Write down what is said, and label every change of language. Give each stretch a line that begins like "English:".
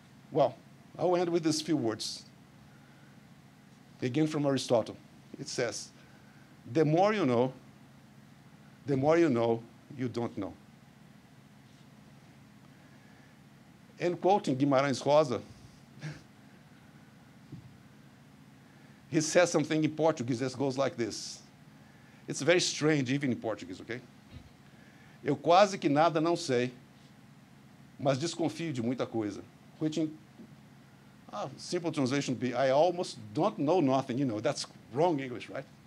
English: Well, I'll end with these few words. Again from Aristotle, it says, the more you know, the more you know you don't know. And quoting Guimarães Rosa, he says something in Portuguese that goes like this. It's very strange, even in Portuguese, okay?
Portuguese: Eu quase que nada não sei, mas desconfio de muita coisa.
English: Which in simple translation would be, I almost don't know nothing, you know, that's wrong English, right?